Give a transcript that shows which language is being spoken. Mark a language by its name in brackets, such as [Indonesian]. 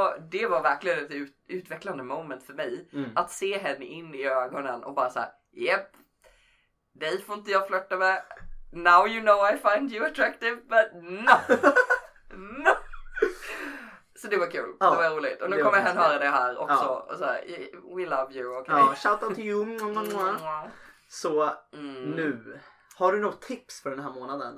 [Swedish] det var verkligen ett utvecklande moment för mig. Mm. Att se henne in i ögonen och bara såhär, japp. Dig får inte jag flörta med. [English] Now you know I find you attractive, but no. No. [Swedish] Så det var kul. Ja, det var roligt. Och nu kommer han höra det här också. Ja. Och så här, [English] we love you, okay? [Swedish] Ja, [English] shout out to you. [Swedish] Så nu. Har du något tips för den här månaden?